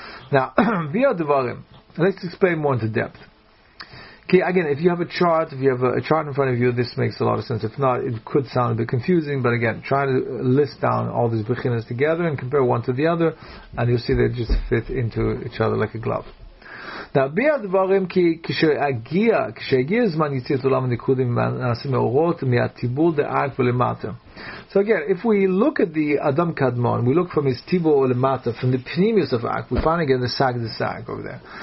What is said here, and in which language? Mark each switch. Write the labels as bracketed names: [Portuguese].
[English] Now, via devarim, let's explain more into depth. Okay, again, if you have a chart, if you have a chart in front of you, this makes a lot of sense. If not, it could sound a bit confusing, but again, try to list down all these bechinas together and compare one to the other, and you'll see they just fit into each other like a glove. [Hebrew] להביע דברים כי כשהגיע, כשהגיע זמן יציאת עולם הנקודים נעשים מאורות מהטיבור דאג ולמטה. [English] So again, if we look at the Adam Kadmon, we look from his Tibo Olimata, from the Pnimius of Ak, we find again the Sag over there.